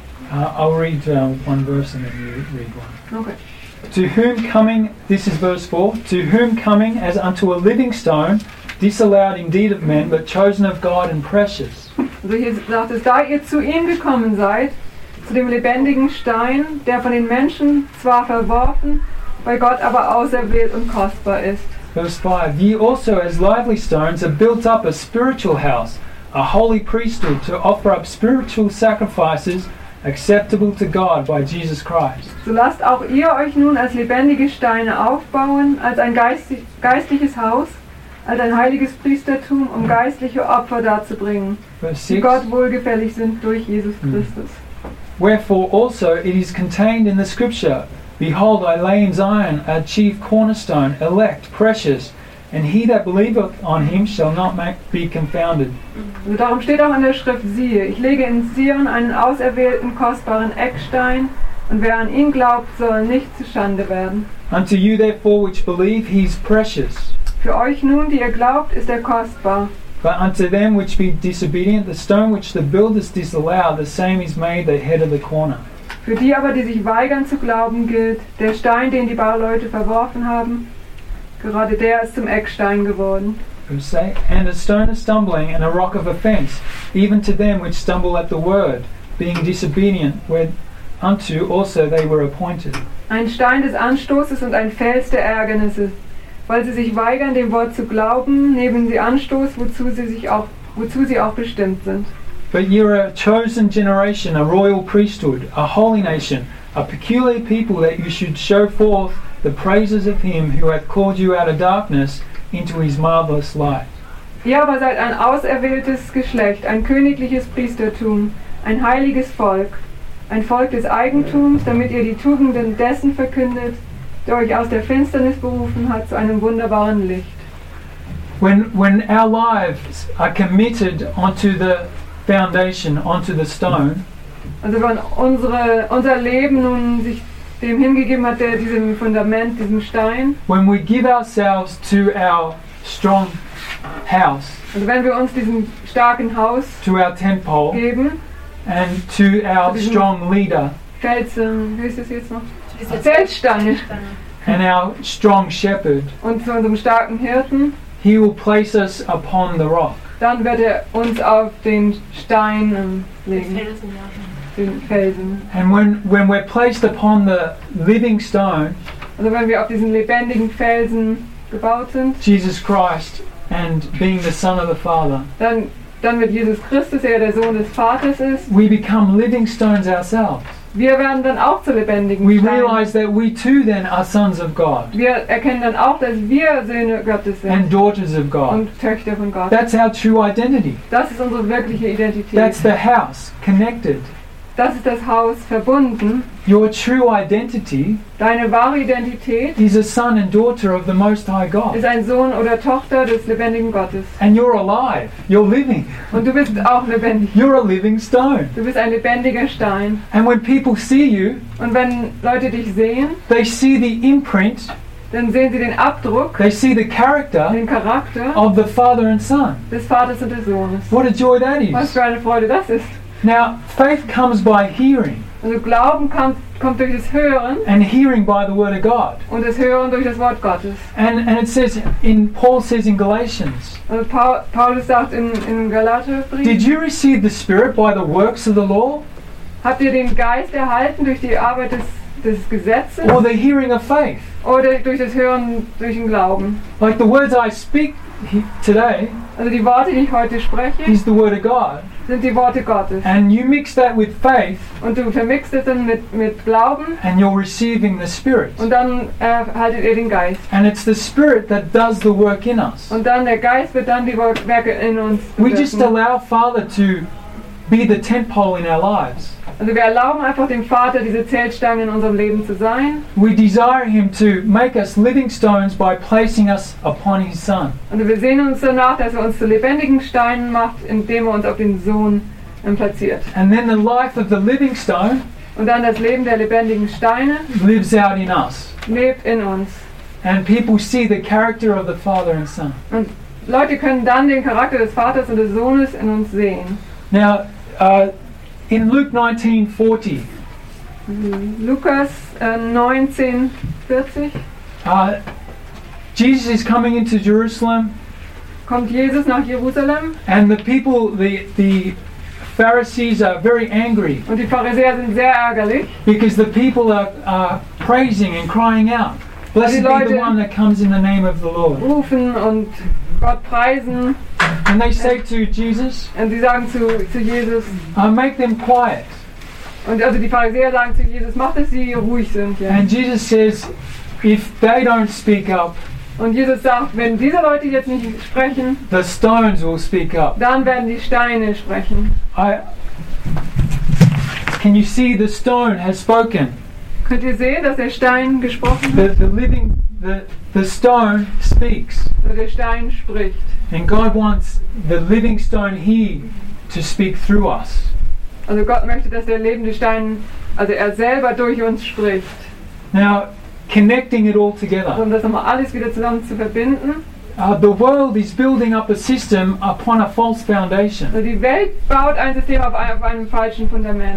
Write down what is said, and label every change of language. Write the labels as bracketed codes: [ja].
[en] I'll read one verse and then you read one. Okay. To whom coming, this is verse 4, to whom coming as unto a living stone, disallowed indeed it meant, but chosen of God and precious. [de] Also hier sagt es, da ihr zu ihm gekommen seid, zu dem lebendigen Stein, der von den Menschen zwar verworfen, bei Gott aber auserwählt und kostbar ist. [en] Verse 5, ye also as lively stones are built up a spiritual house, a holy priesthood to offer up spiritual sacrifices acceptable to God by Jesus Christ. [de] So lasst auch ihr euch nun als lebendige Steine aufbauen, als ein geistliches Haus, als ein heiliges Priestertum, um geistliche Opfer darzubringen, die Gott wohlgefällig sind durch Jesus Christus. [en] Wherefore also it is contained in the scripture, behold, I lay in Zion a chief cornerstone, elect, precious, and he that believeth on him shall not be confounded. [de] Also darum steht auch in der Schrift, siehe, ich lege in Zion einen auserwählten, kostbaren Eckstein, und wer an ihn glaubt, soll nicht zu Schande werden. [en] Unto you therefore which believe, he is precious. [de] Für euch nun, die ihr glaubt, ist kostbar. [en] But unto them which be disobedient, the stone which the builders disallow, the same is made the head of the corner. [de] Für die aber, die sich weigern zu glauben, gilt, der Stein, den die Bauleute verworfen haben, gerade der ist zum Eckstein geworden. [en] And a stone of stumbling and a rock of offense, even to them which stumble at the word, being disobedient, whereunto also they were appointed. [de] Ein Stein des Anstoßes und ein Fels der Ärgernisse, weil sie sich weigern, dem Wort zu glauben, nehmen sie Anstoß, wozu sie auch bestimmt sind. [en] But you're a chosen generation, a royal priesthood, a holy nation, a peculiar people that you should show forth the praises of him who hath called you out of darkness into his marvelous light. [de] Ihr aber seid ein auserwähltes Geschlecht, ein königliches Priestertum, ein heiliges Volk, ein Volk des Eigentums, damit ihr die Tugenden dessen verkündet, der euch aus der Finsternis berufen hat zu einem wunderbaren Licht. [en] When our lives are committed onto the foundation, onto the stone. [de] Also wenn unser Leben nun sich dem hingegeben hat, der diesem Fundament, diesem Stein. [en] When we give ourselves to our strong house. [de] Also wenn wir uns diesem starken Haus [en] to our temple [de] geben, [en] and to our strong leader. [de] Felsen, wie ist es jetzt noch? Felsstange. [en] And our strong shepherd. [de] Und zu unserem starken Hirten. [en] He will place us upon the rock. [de] Dann wird uns auf den Stein legen. Den Felsen. [en] And when we're placed upon the living stone, [de] also wenn wir auf diesen lebendigen Felsen gebaut sind, [en] Jesus Christ and being the Son of the Father, [de] dann wird Jesus Christus, der der Sohn des Vaters ist, [en] we become living stones ourselves. [de] Wir werden dann auch zu lebendigen [en] we [de] Steinen. [en] Realize that we too then are sons of God. [de] Wir erkennen dann auch, dass wir Söhne Gottes sind. [en] And daughters of God. [de] Und Töchter von Gott. [en] That's our true identity. [de] Das ist unsere wirkliche Identität. [en] That's the house connected. [de] Das ist das Haus verbunden. [en] Your true identity. [de] Deine wahre Identität. [en] Is a son and daughter of the Most High God. [de] Ist ein Sohn oder Tochter des lebendigen Gottes. [en] And you're alive. You're living. [de] Und du bist auch lebendig. [en] You're a living stone. [de] Du bist ein lebendiger Stein. [en] And when people see you. [de] Und wenn Leute dich sehen. [en] They see the imprint. [de] Dann sehen sie den Abdruck. [en] They see the character. [de] Den Charakter. [en] Of the Father and Son. [de] Des Vaters und des Sohnes. [en] What a joy that is. [de] Was für eine Freude das ist. [en] Now faith comes by hearing. [de] Also Glauben kommt durch das Hören. [en] And hearing by the word of God. [de] Und das Hören durch das Wort Gottes. [en] And it says in Paul says in Galatians. [de] Also Paulus sagt in Galaterbrief. [en] Did you receive the Spirit by the works of the law? [de] Habt ihr den Geist erhalten durch die Arbeit des Gesetzes? [en] Or the hearing of faith? [de] Oder durch das Hören durch den Glauben? [en] Like the words I speak today. [de] Also die Worte, die ich heute spreche. [en] Is the word of God. [de] Sind die Worte Gottes. [en] And you mix that with faith, [de] und du vermixst es dann mit Glauben. [en] And you're receiving the Spirit. [de] Und dann erhaltet ihr den Geist. [en] And it's the Spirit that does the work in us. [de] Und dann der Geist wird dann die Werke in uns bewirken. [en] We just allow Father to be the tent pole in our lives. [de] Also wir erlauben einfach dem Vater, diese Zeltstange in unserem Leben zu sein. [en] We desire him to make us living stones by placing us upon his Son. [de] Und wir sehen uns danach, dass er uns zu lebendigen Steinen macht, indem er uns auf den Sohn platziert. [en] And then the life of the living stone. [de] Und dann das Leben der lebendigen Steine. [en] Lives out in us. [de] Lebt in uns. [en] And people see the character of the Father and Son. [de] Und Leute können dann den Charakter des Vaters und des Sohnes in uns sehen. [en] Now, in Luke 19:40. [de] Lukas 19:40. [en] Jesus is coming into Jerusalem. [de] kommt Jesus nach Jerusalem. [en] And the people, the Pharisees are very angry. [de] Und die Pharisäer sind sehr ärgerlich. [en] Because the people are praising and crying out. Blessed be the one that comes in the name of the Lord. [de] Rufen und Gott preisen. [en] And they say to Jesus. [de] Und sie sagen zu Jesus. [en] Make them quiet. [de] Und also die Pharisäer sagen zu Jesus, mach, dass sie ruhig sind. Ja. [en] And Jesus says, if they don't speak up. [de] Und Jesus sagt, wenn diese Leute jetzt nicht sprechen, [en] the stones will speak up. [de] Dann werden die Steine sprechen. [en] Can you see the stone has spoken? [de] Könnt ihr sehen, dass der Stein gesprochen hat? [en] The stone speaks. [de] Der Stein spricht. [en] And God wants the living stone here to speak through us. [de] Also Gott möchte, dass der lebende Stein, also er selber durch uns spricht. [en] Now, connecting it all together. [de] Um das nochmal alles wieder zusammen zu verbinden. [en] The world is building up a system upon a false foundation. [de] Also die Welt baut ein System auf einem falschen Fundament.